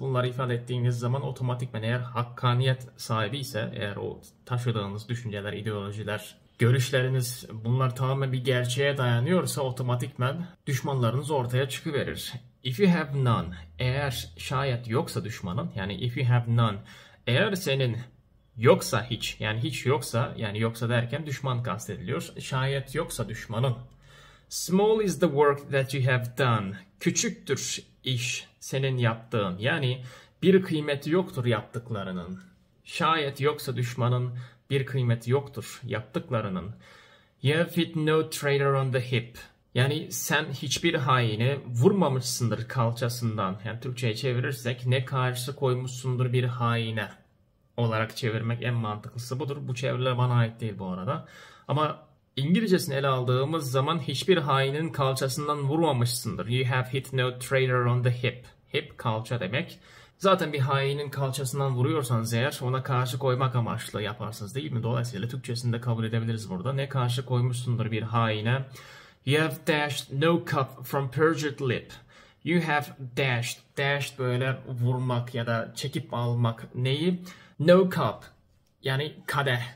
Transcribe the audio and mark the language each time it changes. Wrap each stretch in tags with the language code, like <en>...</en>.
<tr>Bunları ifade ettiğiniz zaman otomatikmen eğer hakkaniyet sahibi ise eğer o taşıdığınız düşünceler, ideolojiler, görüşleriniz bunlar tamamen bir gerçeğe dayanıyorsa otomatikmen düşmanlarınız ortaya çıkıverir.</tr> <en>If you have none,</en> <tr>eğer şayet yoksa düşmanın yani if you have none, eğer senin yoksa hiç yani hiç yoksa yani yoksa derken düşman kastediliyor. Şayet yoksa düşmanın.</tr> <en>Small is the work that you have done.</en> <tr>Küçüktür iş senin yaptığın. Yani bir kıymeti yoktur yaptıklarının. Şayet yoksa düşmanın bir kıymeti yoktur yaptıklarının.</tr> <en>You have no traitor on the hip.</en> <tr>Yani sen hiçbir haini vurmamışsındır kalçasından. Yani Türkçe'ye çevirirsek ne karşı koymuşsundur bir haine olarak çevirmek en mantıklısı budur. Bu çeviriler bana ait değil bu arada. Ama İngilizcesini ele aldığımız zaman hiçbir hainin kalçasından vurmamışsındır.</tr> <en>You have hit no traitor on the hip.</en> <tr>Hip kalça demek. Zaten bir hainin kalçasından vuruyorsanız eğer ona karşı koymak amaçlı yaparsınız değil mi? Dolayısıyla Türkçesini de kabul edebiliriz burada. Ne karşı koymuşsundur bir haine?</tr> <en>You have dashed no cup from perjured lip. have dashed.</en> <tr>Dashed böyle vurmak ya da çekip almak neyi? No cup. Yani kadeh.</tr>